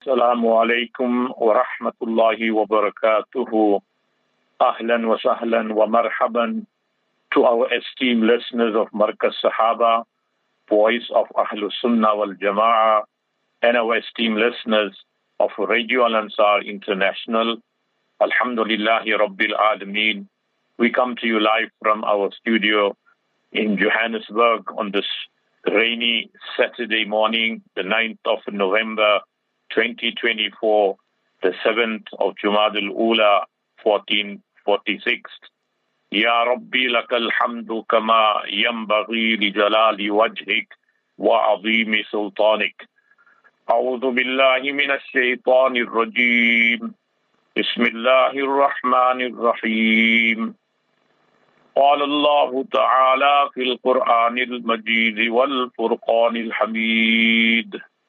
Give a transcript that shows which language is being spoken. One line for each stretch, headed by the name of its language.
Arabic: السلام عليكم ورحمة الله وبركاته. أهلا وسهلا ومرحبا
English: to our esteemed listeners of Markaz Sahaba, Voice of Ahlu Sunnah wal Jama'a, and our esteemed listeners of Radio Al Ansar International. Alhamdulillahi Rabbil Alameen. We come to you live from our studio in Johannesburg on this rainy Saturday morning, the 9th of November 2024, the 7th of Jumadil Ula, 1446.
Arabic: يا ربي لك الحمد كما ينبغي لجلال وجهك وعظيم سلطانك. أعوذ بالله من الشيطان الرجيم. بسم الله الرحمن الرحيم. قال الله تعالى في القرآن المجيد والفرقان الحميد.